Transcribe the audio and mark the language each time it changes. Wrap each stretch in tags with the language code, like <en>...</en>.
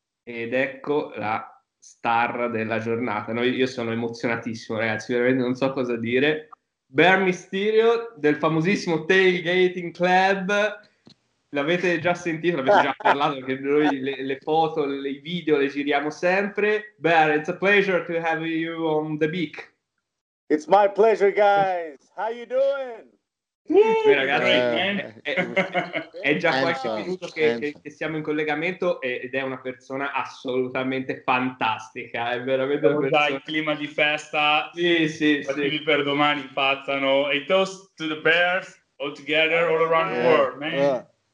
<it>Ed ecco la star della giornata. No, io sono emozionatissimo ragazzi, veramente non so cosa dire. Bear Mysterio del famosissimo Tailgating Club. L'avete già sentito, l'avete già parlato, che noi le foto, i video le giriamo sempre.</it> <en>Bear, it's a pleasure to have you on the beak. It's my pleasure, guys. How you doing?</en> <it>Sì, ragazzi, è già qualche minuto che siamo in collegamento ed è una persona assolutamente fantastica. È veramente una persona. Dai, clima di festa. Sì. Per domani passano.</it> <en>A toast to the Bears all together all around the world, man.</en>